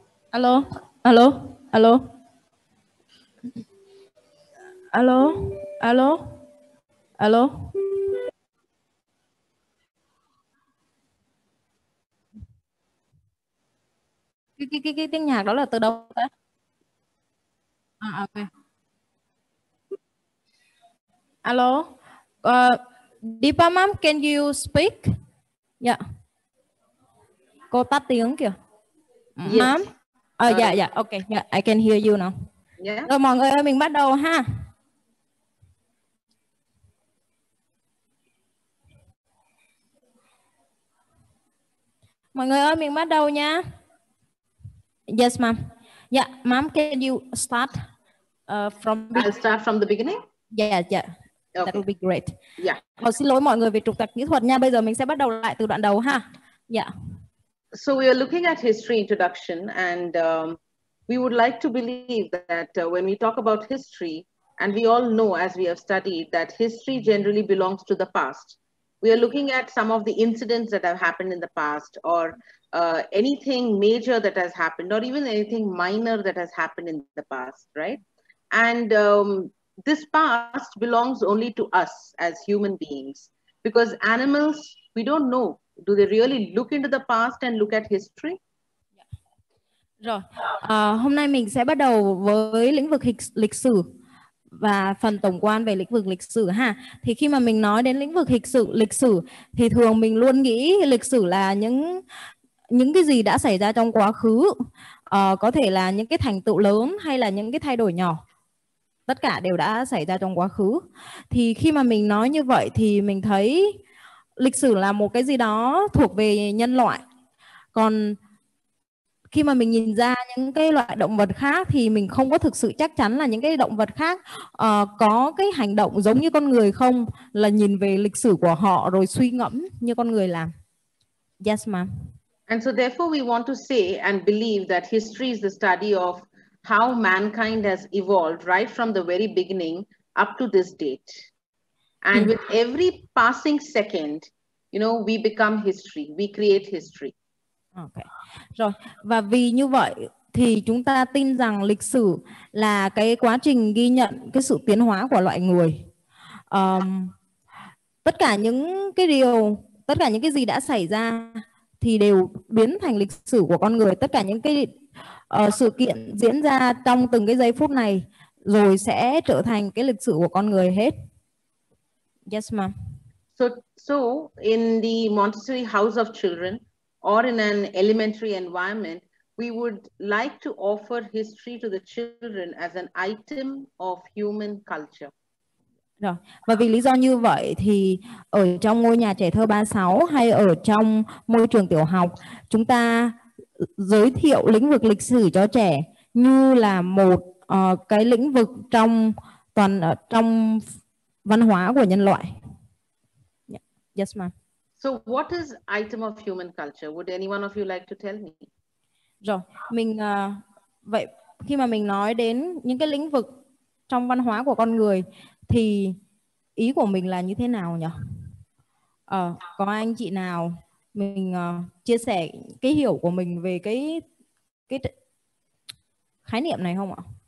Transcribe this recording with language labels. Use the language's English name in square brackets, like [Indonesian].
[Vietnamese] Alo, alo, alo, alo, alo, alo. Cái tiếng nhạc đó là từ đâu ta? [English] Alo, Deepa ma'am, can you speak? [Vietnamese] Dạ. Cô tắt tiếng kìa. [English] Ma'am. Dạ dạ ok dạ yeah, I can hear you now. [Vietnamese] Rồi mọi người ơi, mình bắt đầu ha. Mọi người ơi, mình bắt đầu nha. [English] Yes ma'am. Yeah ma'am, can you start from I'll start from the beginning? Yeah yeah. Okay. That would be great. Yeah. [Vietnamese] Oh, xin lỗi mọi người về trục trặc kỹ thuật nha. Bây giờ mình sẽ bắt đầu lại từ đoạn đầu ha. [English] Yeah. So we are looking at history introduction, and we would like to believe that when we talk about history, and we all know as we have studied that history generally belongs to the past. We are looking at some of the incidents that have happened in the past, or anything major that has happened, or even anything minor that has happened in the past, right? And this past belongs only to us as human beings, because animals, we don't know. Do they really look into the past and look at history? [Vietnamese] Rồi, hôm nay mình sẽ bắt đầu với lĩnh vực lịch sử và phần tổng quan về lĩnh vực lịch sử ha. Thì khi mà mình nói đến lĩnh vực lịch sử thì thường mình luôn nghĩ lịch sử là những cái gì đã xảy ra trong quá khứ, có thể là những cái thành tựu lớn hay là những cái thay đổi nhỏ. Tất cả đều đã xảy ra trong quá khứ. Thì khi mà mình nói như vậy thì mình thấy lịch sử là một cái gì đó thuộc về nhân loại. Còn khi mà mình nhìn ra những cái loại động vật khác thì mình không có thực sự chắc chắn là những cái động vật khác có cái hành động giống như con người không, là nhìn về lịch sử của họ rồi suy ngẫm như con người làm. [English] Yes ma'am. And so therefore we want to say and believe that history is the study of how mankind has evolved right from the very beginning up to this date. And with every passing second, you know, we become history. We create history. Okay. Rồi. [Vietnamese] Và vì như vậy thì chúng ta tin rằng lịch sử là cái quá trình ghi nhận cái sự tiến hóa của loại người. Tất cả những cái điều, tất cả những cái gì đã xảy ra thì đều biến thành lịch sử của con người. Tất cả những cái sự kiện diễn ra trong từng cái giây phút này rồi sẽ trở thành cái lịch sử của con người hết. [English] Yes, ma'am. So in the Montessori House of Children or in an elementary environment, we would like to offer history to the children as an item of human culture. [Vietnamese] Rồi. Và vì lý do như vậy thì ở trong ngôi nhà trẻ thơ 36 hay ở trong môi trường tiểu học, chúng ta giới thiệu lĩnh vực lịch sử cho trẻ như là một cái lĩnh vực trong toàn trong văn hóa của nhân loại. [English] Yes, ma'am. So what is item of human culture? Would any one of you like to tell me? [Vietnamese] Rồi, mình vậy khi mà mình nói đến những cái lĩnh vực trong văn hóa của con người thì ý của mình là như thế nào nhỉ? Có anh chị nào mình chia sẻ cái hiểu của mình về cái khái niệm này không ạ?